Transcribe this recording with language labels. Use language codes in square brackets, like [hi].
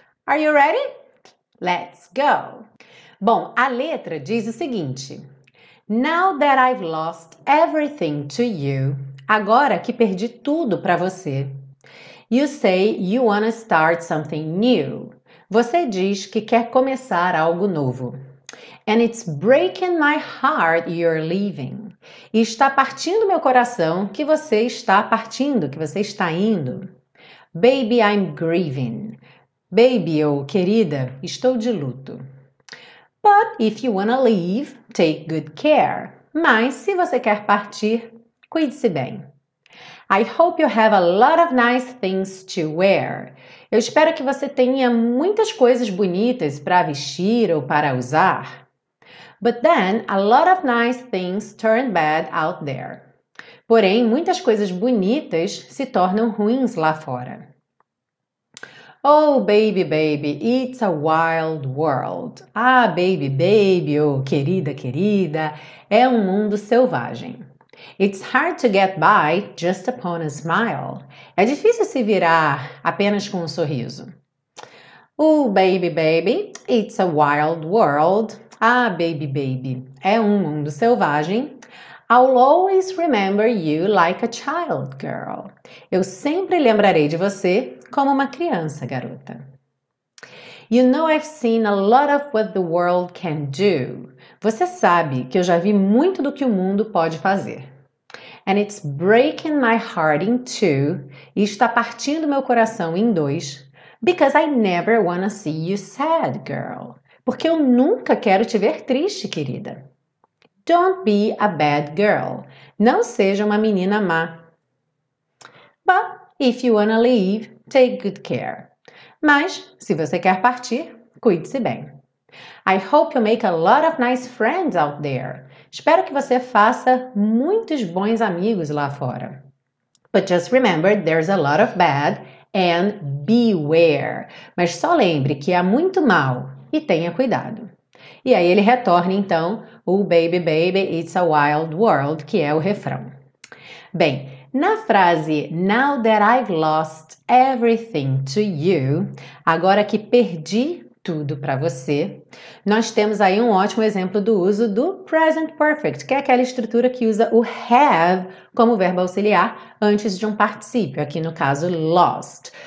[en] Are you ready? Let's go! [pt] Bom, a letra diz o seguinte: [en] Now that I've lost everything to you, [pt] agora que perdi tudo para você, [en] you say you wanna start something new. [pt] Você diz que quer começar algo novo. [en] And it's breaking my heart you're leaving. [pt] E está partindo meu coração que você está partindo, que você está indo. [en] Baby, I'm grieving. [pt] Baby, ou querida, estou de luto. [en] But if you wanna leave, take good care. [pt] Mas se você quer partir, cuide-se bem. [en] I hope you have a lot of nice things to wear. [pt] Eu espero que você tenha muitas coisas bonitas para vestir ou para usar. [en] But then, a lot of nice things turn bad out there. [pt] Porém, muitas coisas bonitas se tornam ruins lá fora. [en] Oh, baby, baby, it's a wild world. [pt] Ah, baby, baby, oh, querida, querida, é um mundo selvagem. [en] It's hard to get by just upon a smile. [pt] É difícil se virar apenas com um sorriso. [en] Oh, baby, baby, it's a wild world. [pt] Ah, baby, baby, é um mundo selvagem. [en] I'll always remember you like a child, girl. [pt] Eu sempre lembrarei de você como uma criança, garota. [en] You know I've seen a lot of what the world can do. [pt] Você sabe que eu já vi muito do que o mundo pode fazer. [en] And it's breaking my heart in two. [pt] E está partindo meu coração em dois. [en] Because I never wanna see you sad, girl. [pt] Porque eu nunca quero te ver triste, querida. [en] Don't be a bad girl. [pt] Não seja uma menina má. [en] But if you wanna leave, take good care. [pt] Mas, se você quer partir, cuide-se bem. [en] I hope you make a lot of nice friends out there. [pt] Espero que você faça muitos bons amigos lá fora. [en] But just remember, there's a lot of bad and beware. [pt] Mas só lembre que há muito mal e tenha cuidado. E aí ele retorna então, o [en] baby, baby, it's a wild world, [pt] que é o refrão. Bem, na frase [en] Now that I've lost everything to you, [pt] agora que perdi tudo para você, nós temos aí um ótimo exemplo do uso do present perfect, que é aquela estrutura que usa o have como verbo auxiliar antes de um particípio, aqui no caso lost.